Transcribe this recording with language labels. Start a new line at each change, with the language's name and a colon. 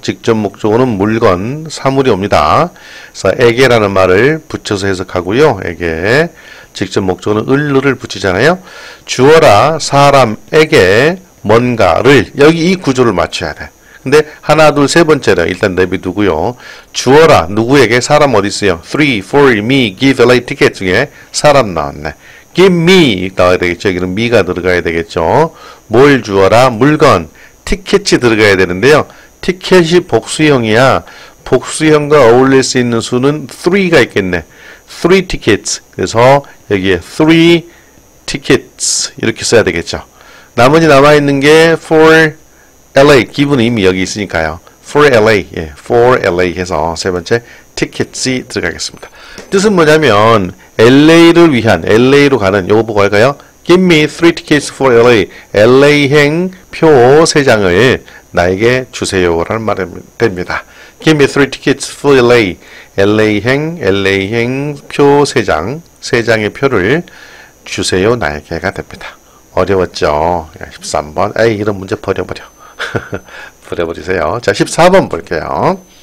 Korean: 직접 목적어는 물건, 사물이 옵니다. 그래서 에게라는 말을 붙여서 해석하고요. 에게. 직접 목적어는 을을 붙이잖아요. 주어라. 사람에게 뭔가를. 여기 이 구조를 맞춰야 돼. 근데 하나 둘세 번째로 일단 내비두고요. 주어라 누구에게 사람 어디 있어요?
English: Three, four, me, give, a light ticket
Korean: 중에 사람 나왔네.
English: Give me
Korean: 나와야 되겠죠. 여기는 me가 들어가야 되겠죠. 뭘 주어라? 물건, 티켓이 들어가야 되는데요. 티켓이 복수형이야. 복수형과 어울릴 수 있는 수는 three가 있겠네.
English: Three tickets.
Korean: 그래서 여기에
English: three tickets
Korean: 이렇게 써야 되겠죠. 나머지 남아 있는 게 four. LA, 기분은 이미 여기 있으니까요.
English: For LA,
Korean: 예, For LA 해서 세 번째 티켓이 들어가겠습니다. 뜻은 뭐냐면 LA를 위한 LA로 가는 요거 보고 할까요?
English: Give me three tickets for LA.
Korean: LA행 표세 장을 나에게 주세요라는 말이 됩니다.
English: Give me three tickets for LA.
Korean: LA행 표세 장, 세 장의 표를 주세요 나에게가 됩니다. 어려웠죠? 13번. 에이, 이런 문제 버려버려. 버려버리세요. 자, 14번 볼게요.